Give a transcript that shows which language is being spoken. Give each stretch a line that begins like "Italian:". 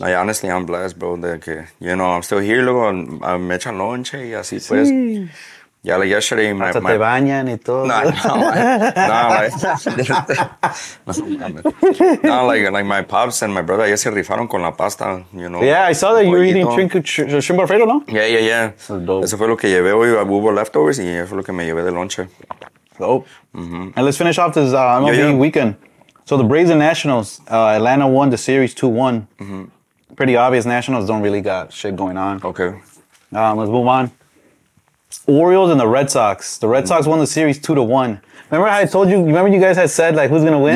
English: Like, honestly, I'm blessed, bro. Like, you know, I'm still here. Look, I'm
Spanish: echa lonche y así pues. Sí.
English: Yeah, like yesterday, my...
Spanish: Hasta te bañan y todo.
English: No, like my pops and my brother,
Spanish: ya se rifaron con la pasta,
English: you know. Yeah, I saw that you were eating shrimp alfredo, no? Yeah. That's dope.
Spanish: Eso fue lo que llevé hoy. Hubo leftovers y eso fue lo que me llevé de lonche.
English: And let's finish off this MLB weekend. So the Braves and Nationals, Atlanta won the series 2-1. Mm-hmm. Pretty obvious, Nationals don't really got shit going on. Okay. Let's move on. Orioles and the Red Sox. The Red Sox won the series 2-1. Remember how I told you, remember you guys had said like who's going to win?